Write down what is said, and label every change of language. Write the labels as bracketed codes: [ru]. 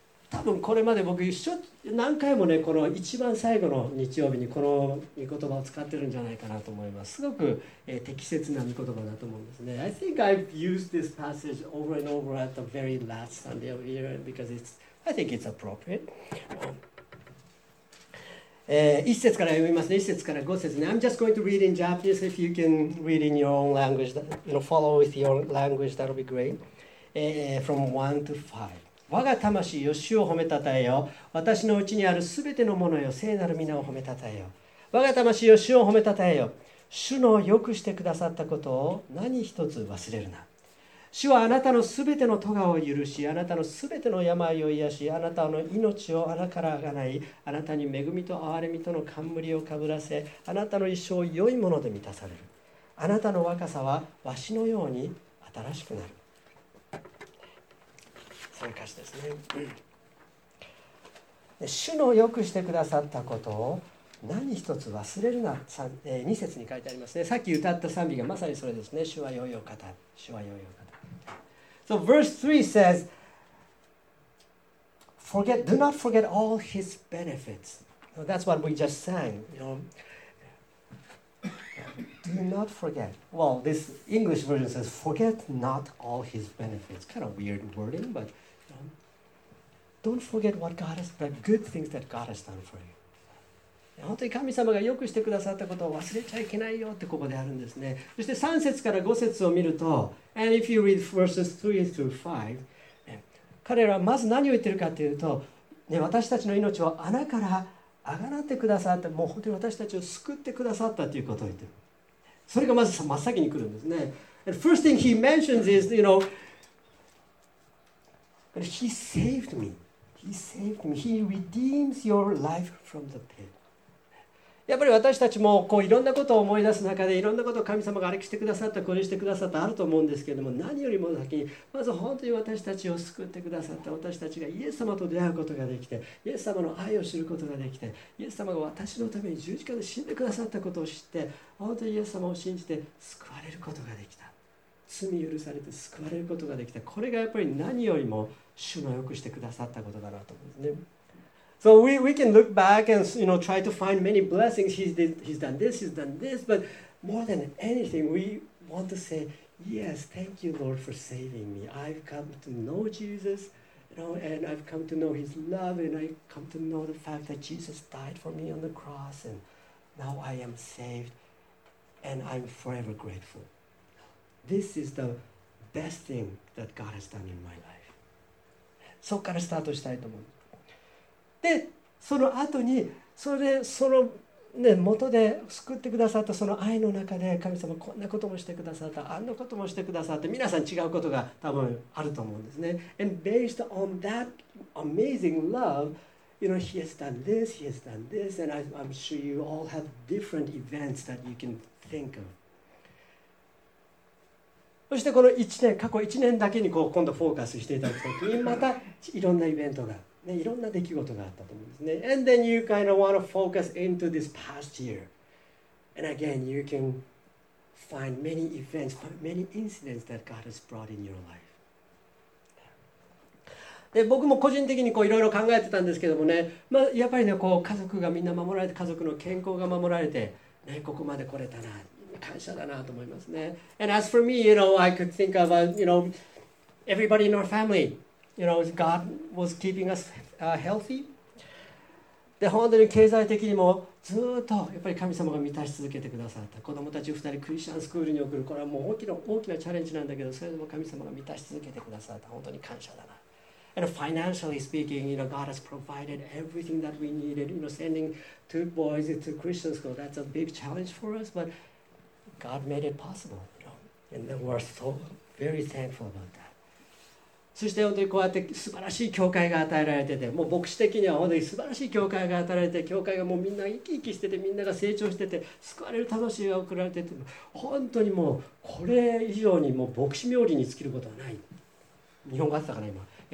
[ja] 多分これまで僕何回もね、この一番最後の日曜日にこの御言葉を使ってるんじゃないかなと思います。すごく適切な御言葉だと思うんですね。 [en] I think I've used this passage over and over at the very last Sunday of year because I think it's appropriate. [ja] 一節から読みますね。一節から五節ね。 [en] I'm just going to read in Japanese. If you can read in your own language, you know, follow with your language, that'll be great. From 1 to 5. [ja] 我が魂よ、主を褒めたたえよ。私のうちにあるすべてのものよ、聖なる皆を褒めたたえよ。我が魂よ、主を褒めたたえよ。主のよくしてくださったことを何一つ忘れるな。主はあなたのすべての咎を許し、あなたのすべての病を癒し、あなたの命をあらからあがない、あなたに恵みと憐れみとの冠をかぶらせ、あなたの一生を良いもので満たされる。あなたの若さはわしのように新しくなる。そういう歌詞ですね。主のよくしてくださったことを何一つ忘れるな。 2節に書いてありますね。さっき歌った賛美がまさにそれですね。主は良いお方、主は良いお方。 [en] So verse 3 says, do not forget all his benefits. So that's what we just sang. You know? Do not forget. Well, this English version says, forget not all his benefits. Kind of weird wording, but don't forget what God has done, good things that God has done for you. [ja] 本当に神様が良くしてくださったことを忘れちゃいけないよってここであるんですね。そして3節から5節を見ると、 [en] And if you read verses 3 through 5、 [ja] ね、彼らはまず何を言ってるかというと、ね、私たちの命を穴からあがなってくださった、もう本当に私たちを救ってくださったということを言ってる。それがまず真っ先に来るんですね。 [en] And first thing he mentions is, you know, But he saved me. He saved me. He redeems your life from the pit. [ja] やっぱり私たちもこういろんなことを思い出す中で、いろんなことを神様があれしてくださった、これしてくださったあると思うんですけれども、何よりも先に、まず本当に私たちを救ってくださった、私たちがイエス様と出会うことができて、イエス様の愛を知ることができて、イエス様が私のために十字架で死んでくださったことを知って、本当にイエス様を信じて救われることができた。罪許されて救われることができた。これがやっぱり何よりも主の良くしてくださったことだなと思うんですね。 [en] So we can look back and you know, try to find many blessings. He's done this. But more than anything, we want to say, Yes, thank you, Lord, for saving me. I've come to know Jesus, you know, and I've come to know His love, and I've come to know the fact that Jesus died for me on the cross, and now I am saved, and I'm forever grateful. This is the best thing that God has done in my life. [ja] そこからスタートしたいと思う。で、その後に、その、ね、元で救ってくださったその愛の中で、神様こんなこともしてくださった、あんなこともしてくださって、皆さん違うことが多分あると思うんですね。 [en] And based on that amazing love, you know, He has done this, He has done this, and I'm sure you all have different events that you can think of. [ja] そしてこの1年、過去1年だけにこう今度フォーカスしていただくときに、またいろんなイベントが、ね、いろんな出来事があったと思うんですね。 [en] And then you kind of want to focus into this past year. And again, you can find many events, many incidents that God has brought in your life. [ja] で僕も個人的にこういろいろ考えてたんですけどもね、まあ、やっぱりね、こう家族がみんな守られて、家族の健康が守られて、ね、ここまで来れたな。感謝だなと思いますね。 [en] And as for me, you know, I could think of, you know, everybody in our family, you know, God was keeping us healthy. [ja] で、本当に経済的にもずっとやっぱり神様が満たし続けてくださった。子供たち2人クリスチャンスクールに送る。これはもう大きなチャレンジなんだけど、それでも神様が満たし続けてくださった。本当に感謝だな。 [en] And financially speaking, you know, God has provided everything that we needed. You know, sending two boys to Christian school, that's a big challenge for us, but God made it possible, you know, and then we're so very thankful about that. [ja] そして本当にこうやって素晴らしい教会が与えられてて、もう牧師的には本当に素晴らしい教会が与えられて、教会がもうみんな生き生きしてて、みんなが成長してて、救われる楽しみが送られてて、本当にもうこれ以上にもう牧師冥利に尽きることはない。日本語あったかな今。